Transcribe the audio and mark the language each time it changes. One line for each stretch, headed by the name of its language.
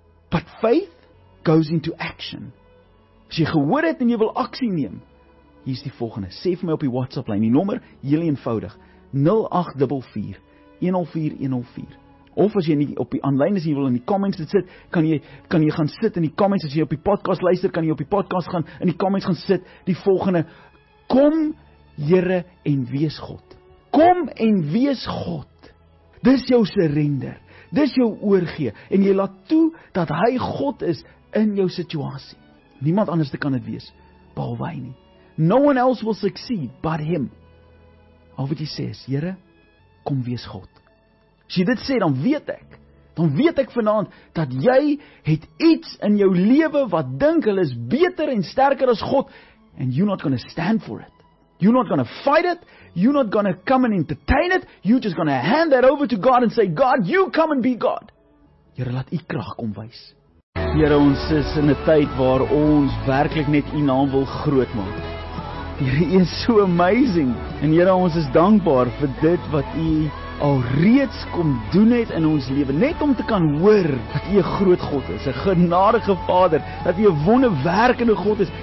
English: But faith goes into action.
Afrikaans: As jy gehoor het en jy wil aksie neem, hier is die volgende. Sê vir my op die WhatsApp lyn, die nommer, heel eenvoudig, 0844-104-104. Of as jy nie op die aanlyn is en jy wil in die comments dit sit, kan jy gaan sit in die comments, as jy op die podcast luister, kan jy op die podcast gaan, in die comments gaan sit, die volgende, kom Here en wees God. Kom en wees God. Dis jou surrender. Dis jou oorgee, en jy laat toe, dat hy God is, in jou situasie. Niemand anders kan dit wees, behalwe hy nie.
English: No one else will succeed, but him.
Afrikaans: Al wat jy sê is, Here, kom wees God. As jy dit sê, dan weet ek vanaand, dat jy het iets in jou lewe wat dink hulle is beter en sterker as God,
English: and you're not gonna stand for it. You're not gonna fight it. You're not gonna come and entertain it. You're just gonna hand that over to God and say, God, you come and be God.
Afrikaans: Here, laat u krag kom wys. Here, ons is in 'n tyd waar ons werklik net u naam wil groot maak. Here, u is so amazing. En Here, ons is dankbaar vir dit wat u al reeds kom doen het in ons lewe, net om te kan hoor dat u 'n groot God is, 'n genadige Vader, dat u 'n wonderwerkende God is.